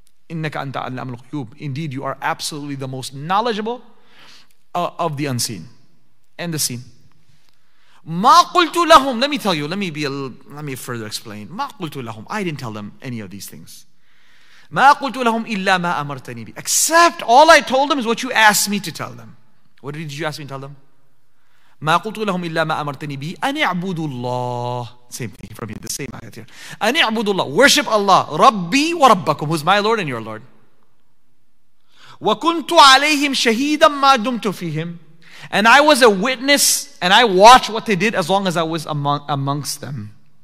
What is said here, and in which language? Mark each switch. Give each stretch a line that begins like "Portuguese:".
Arabic: إِنَّكَ أَنْتَ أَعْلَمُ الْغُيُوبِ,
English: indeed you are absolutely the most knowledgeable of the unseen and the seen.
Arabic: مَا قُلْتُ لَهُمْ,
English: let me tell you, let me further explain.
Arabic: مَا قُلْتُ لَهُمْ,
English: I didn't tell them any of these things.
Arabic: مَا قُلْتُ لَهُمْ إِلَّا مَا أَمَرْتَنِي بِ,
English: except all I told them is what you asked me to tell them. What did you ask me to tell them?
Arabic: ما قلت لهم إلا ما أمرتني به أن اعبدوا الله.
English: Same thing from here, the same ayat here.
Arabic: أن اعبدوا الله,
English: worship Allah,
Arabic: ربي وربكم,
English: who's my Lord and your Lord.
Arabic: وكنت عليهم شهيدا ما دمت فيهم,
English: and I was a witness and I watched what they did as long as I was amongst them.